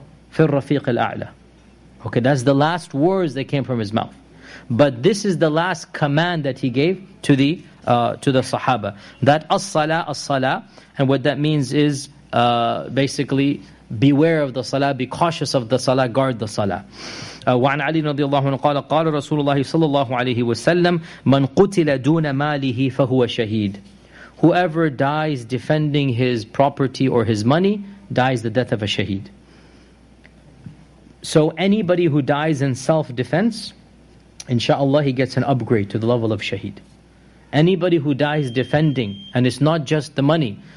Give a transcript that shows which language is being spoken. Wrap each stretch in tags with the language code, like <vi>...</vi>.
<ar>Fir rafiq al-a'la.</ar> <en>Okay, that's the last words that came from his mouth. But this is the last command that he gave to the Sahaba. That as-salah, as-salah. And what that means is basically beware of the salah, be cautious of the salah, guard the salah.</en> <ar>وعن علي رضي الله عنه قال قال رسول الله صلى الله عليه وسلم من قتل دون ماله فهو شهيد.</ar> <en>Whoever dies defending his property or his money dies the death of a shaheed. So anybody who dies in self-defense, inshallah, he gets an upgrade to the level of shaheed. Anybody who dies defending, and it's not just the money.</en>